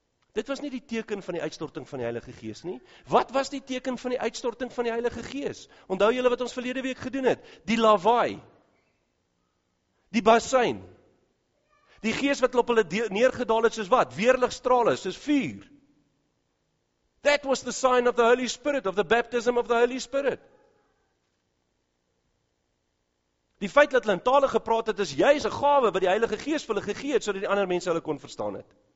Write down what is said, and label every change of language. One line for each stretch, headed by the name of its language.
Afrikaans: Dit was nie die teken van die uitstorting van die Heilige Gees nie. Wat was die teken van die uitstorting van die Heilige Gees? Onthou julle wat ons verlede week gedoen het? Die lawaai. Die bassein. Die Gees wat op hulle neergedaal het soos wat? Weerligstrale, soos vuur.
English: That was the sign of the Holy Spirit, of the baptism of the Holy Spirit.
Afrikaans: Die feit dat hulle in tale gepraat het, is juist 'n gawe wat die Heilige Gees vir hulle gegee het, sodat die ander mense hulle kon verstaan het.